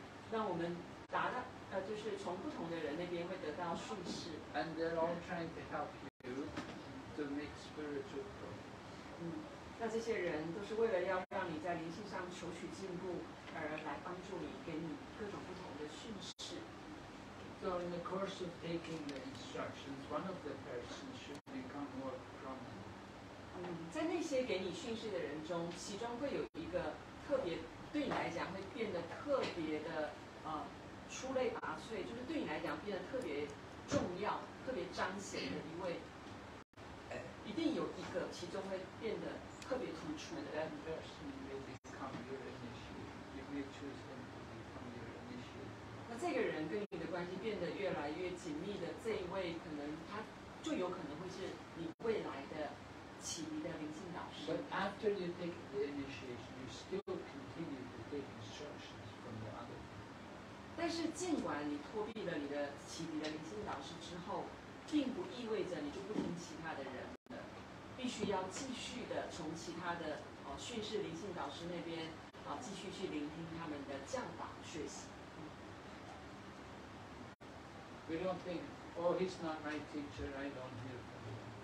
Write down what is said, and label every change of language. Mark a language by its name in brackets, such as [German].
[Chinese] 那我们达到就是从不同的人那边会得到训示。 [English] And they're all trying to help you to make spiritual progress. [Chinese] 那这些人都是为了要让你在灵性上求取进步而来帮助你，给你各种不同的训示。 [English] So in the course of taking the instructions, one of the persons should become more prominent. [Chinese] 些给你训示的人中，其中会有一个特别对你来讲会变得特别的出类拔萃，就是对你来讲变得特别重要、特别彰显的一位，一定有一个，其中会变得特别突出的。 [English] That person will become your initiate. You will choose them to become your initiate. [Chinese] 那这个人跟你的关系变得越来越紧密的这一位，可能他就有可能会是你未来的启迪的灵性导师。 [English] But after you take the initiation, you still continue to take instructions from the other. [Chinese] 但是尽管你脱避了你的启迪的灵性导师之后，并不意味着你就不听其他的人了，必须要继续的从其他的训示灵性导师那边继续去聆听他们的教导学习。 [English] We don't think, oh, he's not my teacher, I don't hear from him.